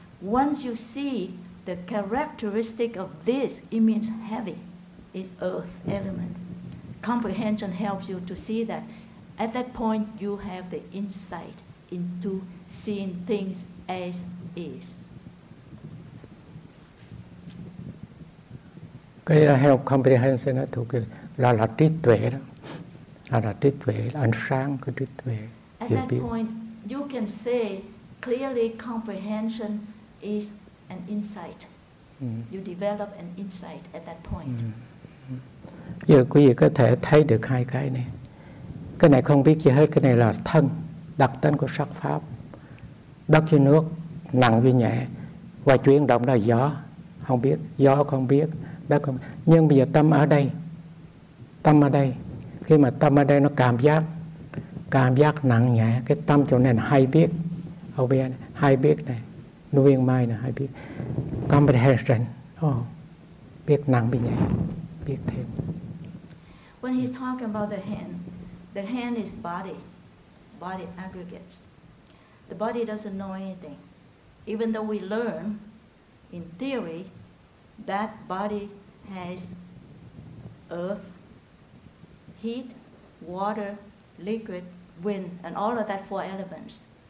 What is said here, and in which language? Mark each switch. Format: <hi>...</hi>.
<en>Once you see the characteristic of this, it means heavy, is earth element. Comprehension helps you to see that. At that point, you have the insight into seeing things as is.</en> <vi>Cái</vi> <en>help comprehension</en> <vi>đó thuộc là trí tuệ đó, là trí tuệ, ánh sáng của trí tuệ.</vi> <en>At that point, you can say clearly comprehension is an insight. You develop an insight at that point.</en> <vi>Giờ quý vị có thể thấy được hai cái này. Cái này không biết gì hết, cái này là thân, đặc tính của sắc pháp. Đất với nước, nặng với nhẹ. Và chuyển động là gió, không biết, gió không biết, đất không biết. Nhưng bây giờ tâm ở đây, khi mà tâm ở đây nó cảm giác nặng nhẹ, cái tâm chỗ này là hay biết, không biết, hay biết này. Nguyên mai là hay biết comprehension. Biết nặng biết nhẹ, biết thêm.</vi> <en>When he's talking about the hand is body aggregates. The body doesn't know anything. Even though we learn in theory that body has earth, heat, water, liquid, wind, and all of that four elements.</en>